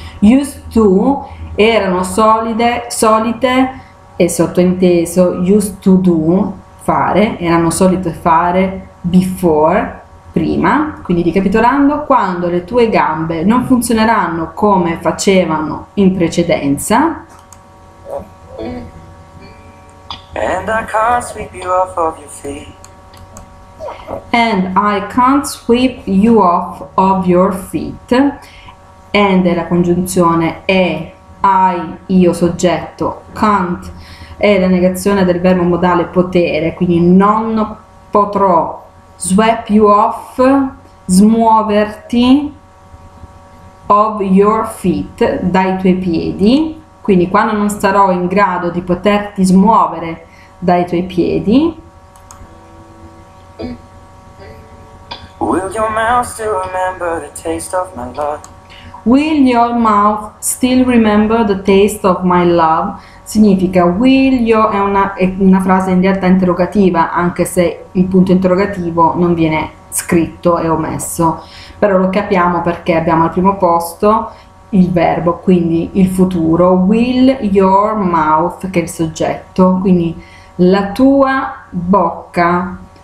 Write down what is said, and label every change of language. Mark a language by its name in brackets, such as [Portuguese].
[English] used to [Italian] erano solide, solite e sottointeso [English] used to do, [Italian] fare, erano solite fare [English] before, [Italian] prima, quindi ricapitolando, quando le tue gambe non funzioneranno come facevano in precedenza. [English] And I can't sweep you off of your feet. And I can't sweep you off of your feet. [Italian] And è la congiunzione e, I, io soggetto. Can't è la negazione del verbo modale potere, quindi non potrò [English] sweep you off, [Italian] smuoverti [English] of your feet, [Italian] dai tuoi piedi. Quindi quando non sarò in grado di poterti smuovere dai tuoi piedi. [English] Will your mouth still remember the taste of my love? Will your mouth still remember the taste of my love? [Italian] Significa [English] will your, [Italian] è una frase in realtà interrogativa, anche se il punto interrogativo non viene scritto e omesso. Però lo capiamo perché abbiamo al primo posto il verbo, quindi il futuro. [English] Will your mouth, [Italian] che è il soggetto, quindi la tua bocca.